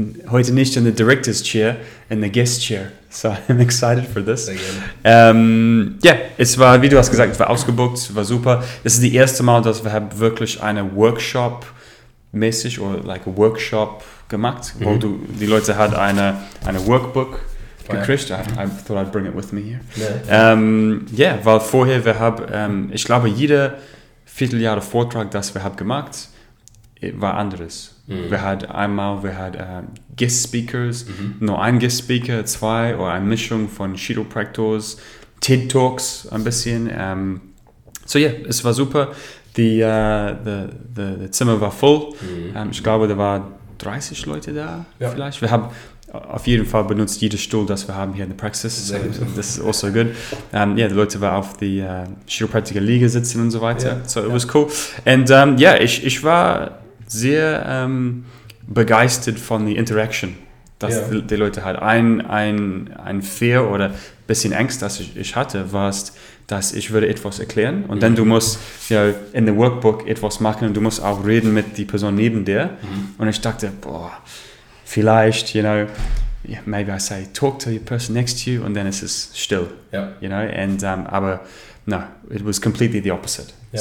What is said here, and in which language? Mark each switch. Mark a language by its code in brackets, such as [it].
[de] Heute nicht [en] in the director's chair, in the guest chair. So I'm excited for this. [de] Es war, wie du hast gesagt, es war ausgebucht, es war super. Es ist das erste Mal, dass wir wirklich eine Workshop-mäßig oder [en] like a Workshop [de] gemacht, wo die Leute hat eine Workbook gekriegt. [en] I thought I'd bring it with me here. [de] Weil vorher wir haben, ich glaube, jeder Vierteljahre Vortrag, das wir haben gemacht, war anderes. Wir hatten Guest Speakers, nur ein Guest Speaker, zwei oder eine Mischung von Chiropractors, TED Talks ein bisschen. Es war super. The Zimmer war voll. Ich glaube, da waren 30 Leute da vielleicht. Wir haben auf jeden Fall benutzt jeden Stuhl, das wir haben hier in der Praxis. Das ist also good. Die Leute waren auf die Chiropraktiker Liege sitzen und so weiter. [en] It was cool. [de] Ich war sehr begeistert von der Interaction, dass die Leute hat. Ein Fear oder ein bisschen Angst, das ich hatte, war, dass ich würde etwas erklären und dann du musst [en] in the Workbook [de] etwas machen und du musst auch reden mit der Person neben dir. Und ich dachte, boah, vielleicht, [en] maybe I say, talk to the person next to you and then it's just still, it was completely the opposite.